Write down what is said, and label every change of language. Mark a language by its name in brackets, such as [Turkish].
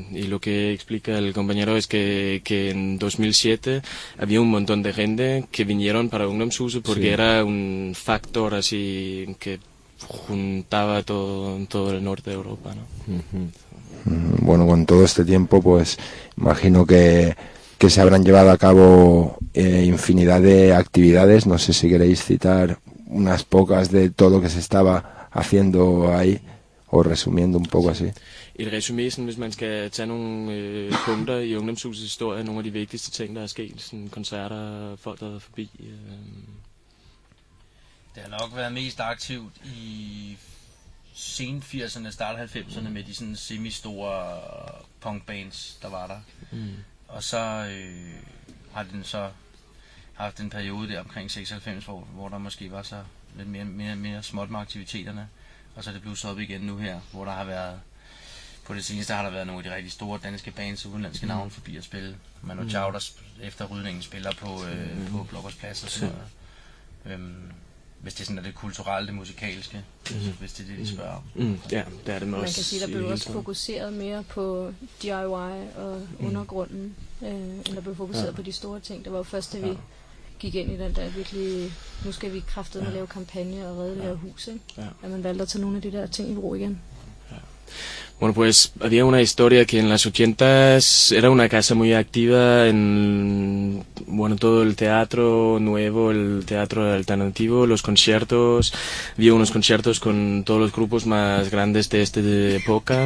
[Spanish] Y lo que explica el compañero es que en 2007 había un montón de gente que vinieron para ungdomshuset porque era un factor así que juntaba todo el norte de Europa, ¿no? Bueno, con todo este tiempo pues imagino que se habrán llevado a cabo infinidad de actividades, no sé si queréis citar unas pocas de todo lo que se estaba haciendo ahí o resumiendo un poco así. [Danish] Et resumé, sådan, hvis man skal tage nogle punkter i ungdomshusets historie, nogle af de vigtigste ting, der er sket, sådan koncerter, folk, der er forbi. Det har nok været mest aktivt i sen 80'erne, start 90'erne, med de sådan semi-store punkbands, der var der. Mm. Og så har den så haft en periode der omkring 96, hvor der måske var så lidt mere småt med aktiviteterne. Og så er det blevet så op igen nu her, hvor der har været. På det seneste har der været nogle af de rigtig store danske bands og udenlandske navne forbi at spille. Manu Chao, der efter rydningen spiller på Blokkers Plads og sådan noget. Hvis det er sådan det kulturelle, det musikalske, hvis det er det, de spørger om. Ja, det er det med os. Man kan sige, der blev også fokuseret mere på DIY og undergrunden, end der blev fokuseret på de store ting. Det var jo først, da vi gik ind i den der virkelig, nu skal vi kraftedme med at lave kampagne og redde lave hus, ikke? At man valgte at tage nogle af de der ting i brug igen. [Spanish] Bueno, pues había una historia que en las 80s era una casa muy activa en, bueno, todo el teatro nuevo, el teatro alternativo, los conciertos. Había unos conciertos con todos los grupos más grandes de esta época.